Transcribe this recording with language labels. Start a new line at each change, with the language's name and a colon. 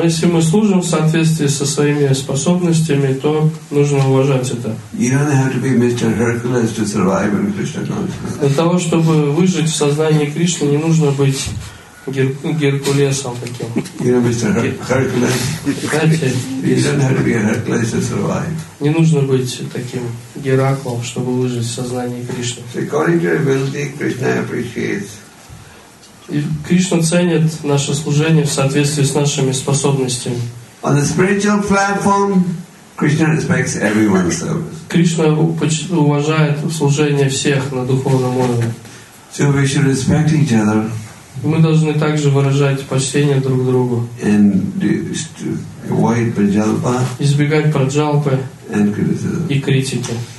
Russian: если мы служим в соответствии со своими способностями, то нужно уважать это.
English: You don't have to be Mr. Hercules to survive in Krishna consciousness.
Russian: Для того, чтобы выжить в сознании Кришны, не нужно быть Геркулесом таким.
English: You know, Mr. Hercules. You don't have to be a Hercules to survive.
Russian: Не нужно быть таким Гераклом, чтобы выжить в сознании Кришны.
English: According to your ability, Krishna appreciates.
Russian: И Кришна ценит наше служение в соответствии с нашими способностями.
English: On the spiritual platform, Krishna respects everyone's service.
Russian: Кришна уважает служение всех на духовном уровне.
English: So we should respect each other.
Russian: Мы должны также выражать почтение друг другу.
English: And to avoid prajalpa.
Russian: Избегать праджалпы.
English: And criticism.
Russian: И критики.